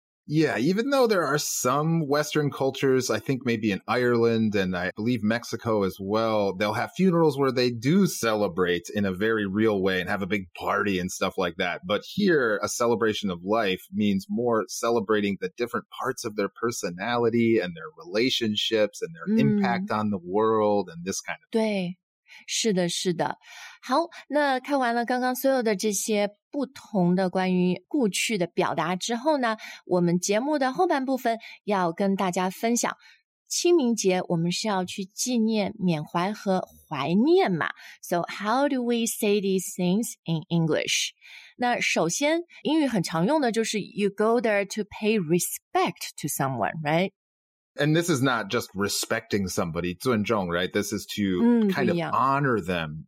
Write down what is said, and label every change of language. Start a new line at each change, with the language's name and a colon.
English: Yeah, even though there are some Western cultures, I think maybe in Ireland and I believe Mexico as well, they'll have funerals where they do celebrate in a very real way and have a big party and stuff like that. But here, a celebration of life means more celebrating the different parts of their personality and their relationships and their impact on the world and this kind of
Chinese: thing. 是的是的。好，那看完了刚刚所有的这些不同的关于故去的表达之后呢，我们节目的后半部分要跟大家分享，清明节我们是要去纪念、缅怀和怀念嘛。
English: So how do we say these things in English?
Chinese: 那首先，英语很常用的就是
English: you go there to pay respect to someone, right? And this is not just respecting somebody, 尊重, right? This is to kind of honor them.